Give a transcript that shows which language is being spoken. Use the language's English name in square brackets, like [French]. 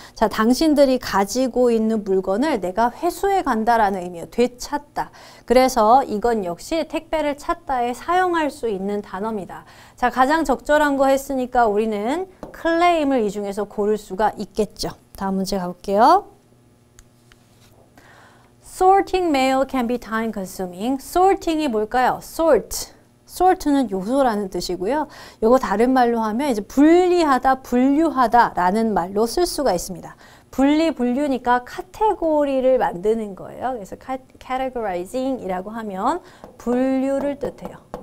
[Korean] 자, 당신들이 가지고 있는 물건을 내가 회수해 간다라는 의미예요. 되찾다. 그래서 이건 역시 택배를 찾다에 사용할 수 있는 단어입니다. 자, 가장 적절한 거 했으니까 우리는 클레임을 이 중에서 고를 수가 있겠죠. 다음 문제 가볼게요. [English] Sorting mail can be time consuming. [Korean] Sorting이 뭘까요? [English] Sort. [Korean] Sort는 요소라는 뜻이고요. 요거 다른 말로 하면 이제 분리하다, 분류하다라는 말로 쓸 수가 있습니다. 분리분류니까 카테고리를 만드는 거예요. 그래서 categorizing이라고 하면 분류를 뜻해요.